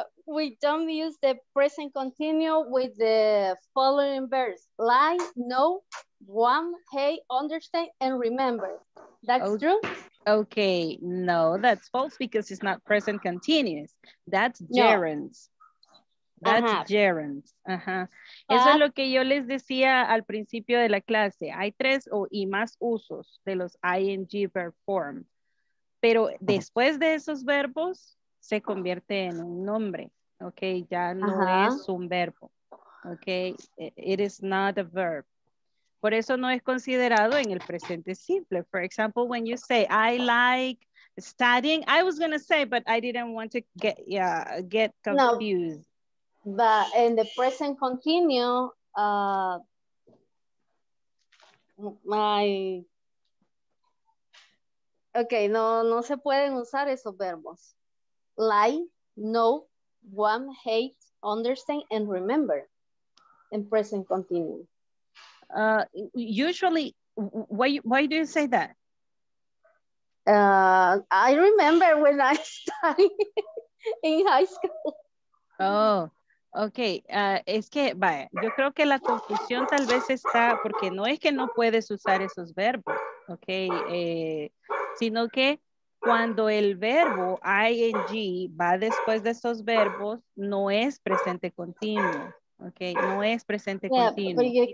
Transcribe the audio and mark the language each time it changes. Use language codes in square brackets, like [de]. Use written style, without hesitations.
[en] We don't use the present continuous with the following verbs: like, know, want, hey, understand, and remember. That's okay. True. Okay, no, that's false because it's not present continuous. That's gerunds. That's gerunds. [es] Eso es lo que yo les decía al principio de la clase. Hay tres o y más usos de los ing verb form. Pero después de esos verbos, se convierte en un nombre. Okay, ya no es un verbo. [en] Okay, it is not a verb. [es] Por eso no es considerado en el presente simple. [en] For example, when you say, I like studying, I was going to say, but I didn't want to get confused. No, but in the present continue, [es] no se pueden usar esos verbos. [en] Like, know, want, hate, understand, and remember in present continue. Usually, why do you say that? I remember when I studied in high school. Oh, okay. [es] Es que, vaya, yo creo que la confusión tal vez está, porque no es que no puedes usar esos verbos, okay, sino que cuando el verbo ing va después de esos verbos, no es presente continuo, okay, no es presente continuo.